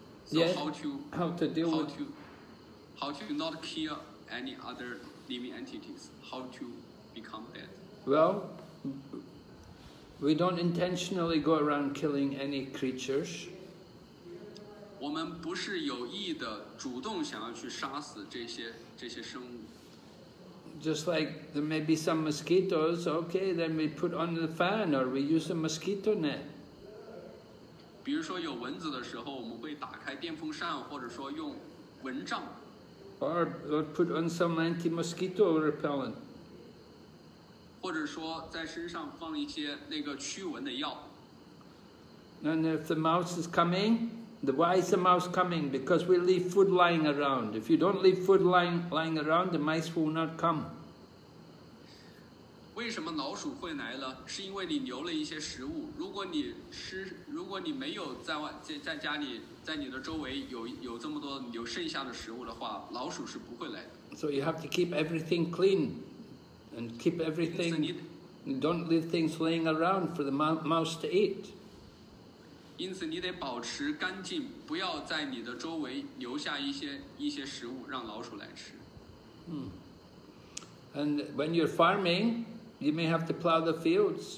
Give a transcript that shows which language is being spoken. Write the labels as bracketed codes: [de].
[en] yes, how to not kill any other living entities? How to become that? Well, we don't intentionally go around killing any creatures. [zh] 我们不是有意的主动想要去杀死这些生物。 [en] just like there may be some mosquitoes, okay, then we put on the fan or we use a mosquito net. [zh] 比如说有蚊子的时候，我们会打开电风扇，或者说用蚊帐。 [en] Or put on some anti-mosquito repellent. [zh] 或者说在身上放一些那个驱蚊的药。 [en] And if the mouse is coming, why is the mouse coming? Because we leave food lying around. If you don't leave food lying around, the mice will not come. [zh] 为什么老鼠会来了？是因为你留了一些食物。如果你没有在家里，在你的周围有这么多留剩下的食物的话，老鼠是不会来的。 [en] So you have to keep everything clean and keep everything. Don't leave things laying around for the mouse to eat. [zh] 因此你得保持干净，不要在你的周围留下一些食物让老鼠来吃。 [en] And when you're farming, you may have to plow the fields.